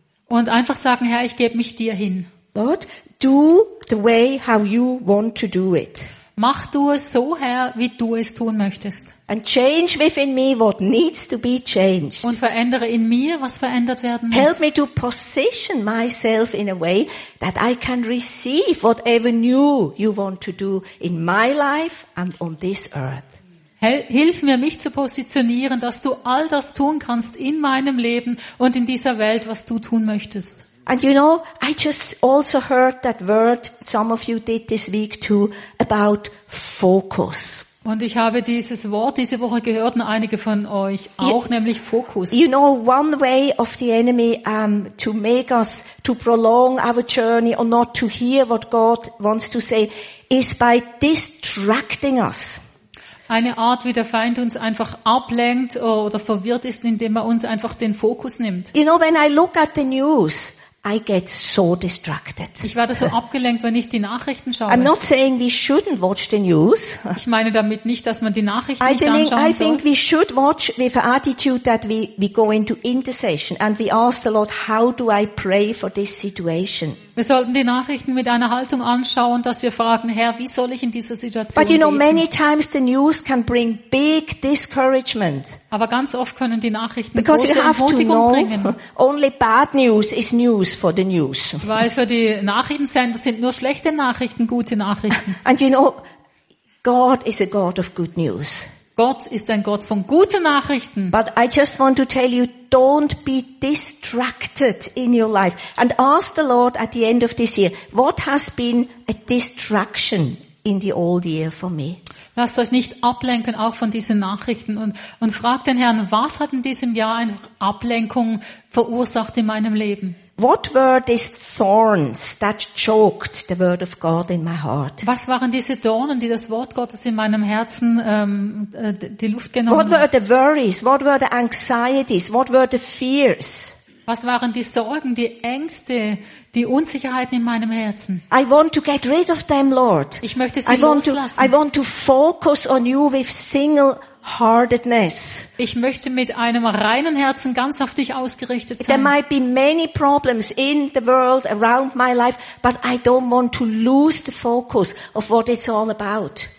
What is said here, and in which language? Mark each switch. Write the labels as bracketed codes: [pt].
[de] Und einfach sagen, Herr, ich gebe mich dir hin. [en] Lord, do the way how you want to do it. [de] Mach du es so, Herr, wie du es tun möchtest. [en] And change within me what needs to be changed. [de] Und verändere in mir, was verändert werden muss. [en] Help me to position myself in a way that I can receive whatever new you want to do in my life and on this earth. [de] Hilf mir, mich zu positionieren, dass du all das tun kannst in meinem Leben und in dieser Welt, was du tun möchtest. [en] And you know, I just also heard that word, some of you did this week too, about focus. [de] Und ich habe dieses Wort diese Woche gehört und einige von euch auch, nämlich Fokus. [en] You know, one way of the enemy to make us to prolong our journey or not to hear what God wants to say is by distracting us. [de] Eine Art, wie der Feind uns einfach ablenkt oder verwirrt ist, indem er uns einfach den Fokus nimmt. [en] You know, when I look at the news, I get so distracted. [de] Ich werde so abgelenkt, wenn ich die Nachrichten schaue. [en] I'm not saying we shouldn't watch the news. [de] Ich meine damit nicht, dass man die Nachrichten nicht anschauen soll. [en] I think we should watch with an attitude that we go into intercession and we ask the Lord, how do I pray for this situation? [de] Wir sollten die Nachrichten mit einer Haltung anschauen, dass wir fragen, Herr, wie soll ich in dieser Situation beten? [en] But you know, many times the news can bring big discouragement. [de] Aber ganz oft können die Nachrichten große Entmutigung bringen. [en] Only bad news is news for the news. [de] Weil für die Nachrichtensender sind nur schlechte Nachrichten gute Nachrichten. [en] And you know, God is a God of good news. [de] Gott ist ein Gott von guten Nachrichten. [en] But I just want to tell you, don't be distracted in your life. And ask the Lord at the end of this year, what has been a distraction in the old year for me? [de] Lasst euch nicht ablenken, auch von diesen Nachrichten. Und fragt den Herrn, was hat in diesem Jahr eine Ablenkung verursacht in meinem Leben? [en] What were these thorns that choked the word of God in my heart? [de] Was waren diese Dornen, die das Wort Gottes in meinem Herzen die Luft genommen haben? [en] What were the worries? What were the anxieties? What were the fears? [de] Was waren die Sorgen, die Ängste, die Unsicherheiten in meinem Herzen? [en] I want to get rid of them, Lord. [de] Ich möchte sie loslassen. [en] I want to focus on you with single heartedness. [de] Ich möchte mit einem reinen Herzen ganz auf dich ausgerichtet sein. [en] There might be many problems in the world around my life, but I don't want to lose the focus of what it's all about.